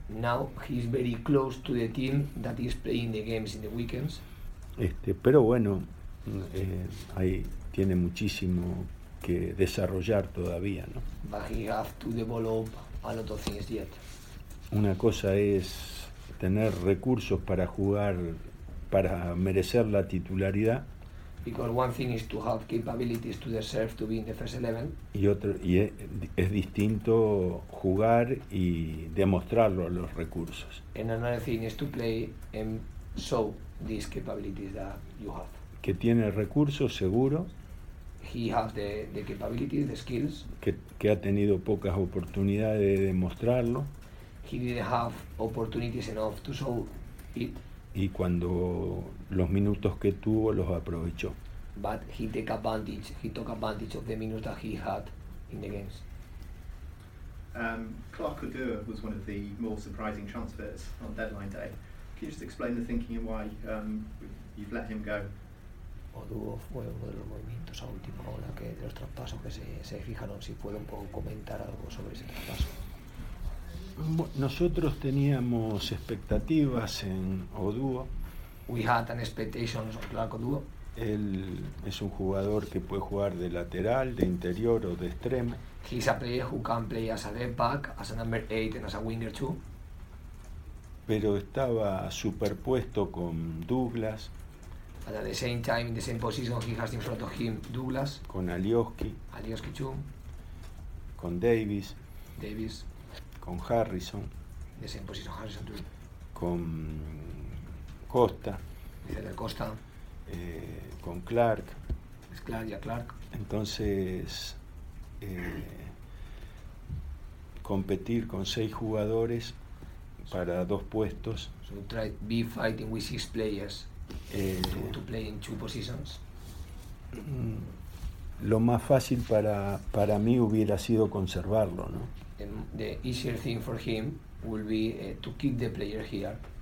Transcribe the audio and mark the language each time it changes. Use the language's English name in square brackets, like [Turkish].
[English] Now he's very close to the team that is playing the games in the weekends. [Spanish] Pero bueno, ahí tiene muchísimo que desarrollar todavía, ¿no? [English] But he has to develop a lot of things yet. [Spanish] Una cosa es tener recursos para jugar, para merecer la titularidad. [English] Because one thing is to have capabilities to deserve to be in the first 11. [Spanish] Y otro, y es distinto jugar y demostrarlo a los recursos. [English] And another thing is to play and show these capabilities that you have. [Spanish] Que tiene recursos, seguro. [English] He has the capabilities, the skills. [Spanish] Que ha tenido pocas oportunidades de demostrarlo. [English] He didn't have opportunities enough to show it. [Spanish] Y cuando los minutos que tuvo los aprovechó. [English] But he took advantage of the minutes that he had in the games. Clark Odur was one of the more surprising transfers on deadline day. Can you just explain the thinking and why you've let him go? [Spanish] Odur fue uno de los movimientos a última hora que de los traspasos que se fijaron. Si puedo un poco comentar algo sobre ese traspaso. Nosotros teníamos expectativas en Oduo. [English] We had an expectation of Clark Oduo. [Spanish] Él es un jugador que puede jugar de lateral, de interior o de extremo. [English] He's a player who can play as a left back, as a number 8 and as a winger too. [Spanish] Pero estaba superpuesto con Douglas. [English] But at the same time, in the same position, he has in front of him Douglas. [Spanish] Con Alioski. [English] Alioski too. [Spanish] Con Davis. [English] Davis. [Spanish] Con Harrison. De esa posición, [English] Harrison too. [Spanish] Con Costa. Dice de Costa. Con Clark. Es Clark, ya Clark. Entonces, competir con 6 jugadores para 2 puestos. [English] So try be fighting with 6 players to play in 2 positions. [Spanish] Lo más fácil para mí hubiera sido conservarlo, ¿no? [English] The easier thing for him will be to keep the player here.